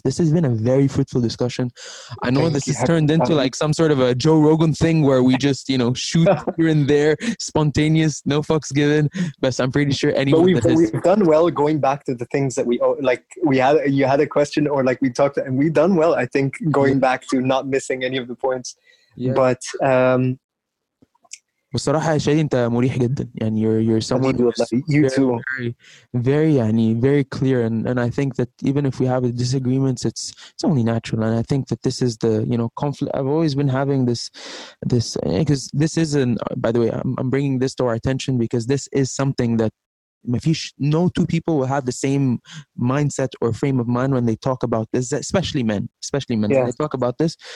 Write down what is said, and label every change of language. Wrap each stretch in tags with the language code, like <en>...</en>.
<en>This has been a very fruitful discussion. I know this has turned into like some sort of a Joe Rogan thing where we just, you know, shoot here and there, spontaneous, no fucks given. But I'm pretty sure we've done well going back to the things that you had a question or like we talked, and we've done well, I think, going back to not missing any of the points. Yeah. But,</en> <ar>بصراحة شادي أنت مريح جدا يعني</ar> <en>you're someone you very, too. Very very يعني very clear and I think that even if we have disagreements it's only natural, and I think that this is the, you know, conflict I've always been having this because this isn't, by the way, I'm bringing this to our attention because this is something that no two people will have the same mindset or frame of mind when they talk about this, especially men when they talk about this.</en>